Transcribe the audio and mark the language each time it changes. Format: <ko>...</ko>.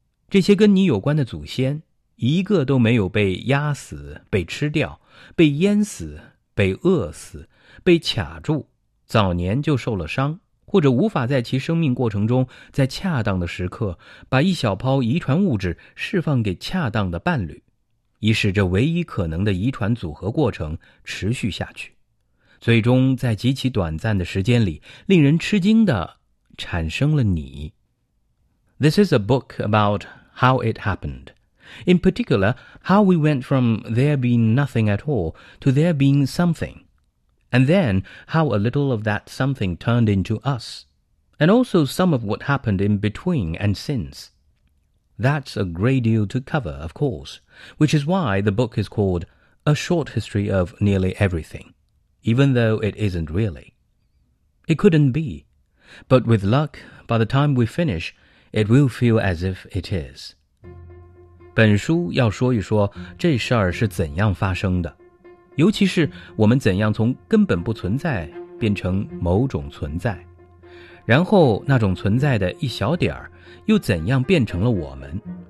<zh>这些跟你有关的祖先一个都没有被压死、被吃掉、被淹死、被饿死、被卡住、早年就受了伤，或者无法在其生命过程中在恰当的时刻把一小泡遗传物质释放给恰当的伴侣，以使这唯一可能的遗传组合过程持续下去，最终在极其短暂的时间里令人吃惊地产生了你。</zh> <en>This is a book about how it happened. In particular, how we went from there being nothing at all to there being something. And then, how a little of that something turned into us. And also some of what happened in between and since. That's a great deal to cover, of course, which is why the book is called A Short History of Nearly Everything, even though it isn't really. It couldn't be. But with luck, by the time we finish, it will feel as if it is.</en> <zh>本书要说一说这事儿是怎样发生的，尤其是我们怎样从根本不存在变成某种存在，然后那种存在的一小点儿又怎样变成了我们。</zh>